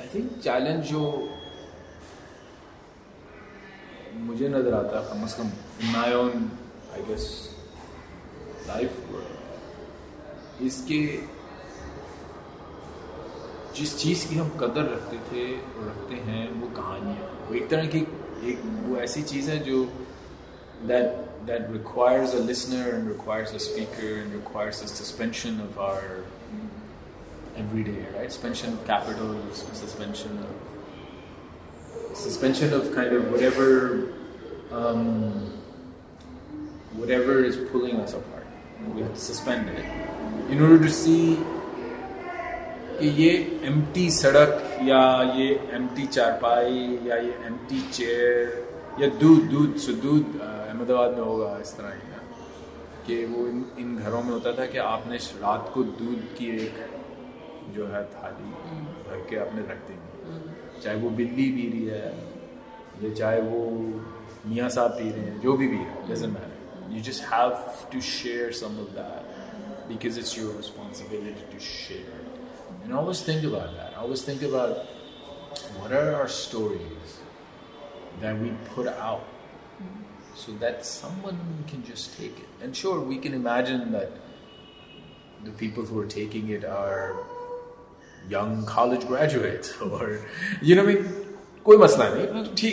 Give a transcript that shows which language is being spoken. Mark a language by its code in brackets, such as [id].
[en] I think challenge [hi] जो मुझे नजर आता है, कम अज कम [en] in my own I guess life, [hi] इसके जिस चीज की हम कदर रखते थे और रखते हैं, वो कहानियाँ, वो एक तरह की एक वो ऐसी चीज है जो [en] That that requires a listener and requires a speaker and requires a suspension of our everyday, right? Suspension of capital, suspension of kind of whatever is pulling us apart. We have to suspend it in order to see [hi] ki ye empty sadak ya ye empty charpai ya ye empty chair ya dude Ahmedabad में होगा इस तरह ही ना, कि वो इन घरों में होता था कि आपने रात को दूध की एक जो है थाली भर के आपने रख दी, चाहे वो बिल्ली पी रही है या चाहे वो मियाँ साहब पी रहे हैं, जो भी है, [en] doesn't matter. You just have to share some of that. because it's your responsibility to share. And always think about that. Always think about what are our stories that we put out so that someone can just take it. And sure, we can imagine that the people who are taking it are young college graduates or, you know what I mean?